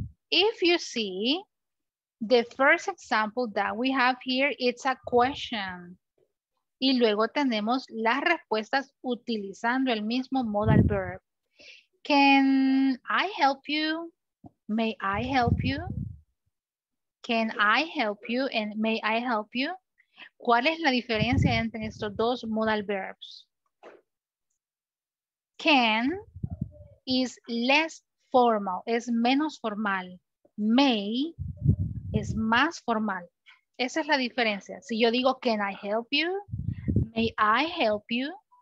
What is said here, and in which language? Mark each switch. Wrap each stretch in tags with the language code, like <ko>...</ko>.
<en>If you see the first example that we have here, it's a question.</en> <es>Y luego tenemos las respuestas utilizando el mismo modal verb.</es> <en>Can I help you? May I help you? Can I help you and may I help you?</en> <es>¿Cuál es la diferencia entre estos dos modal verbs?</es> <en>Can is less formal,</en> <es>es menos formal. May es más formal. Esa es la diferencia. Si yo digo,</es> <en>can I help you? May I help you?</en>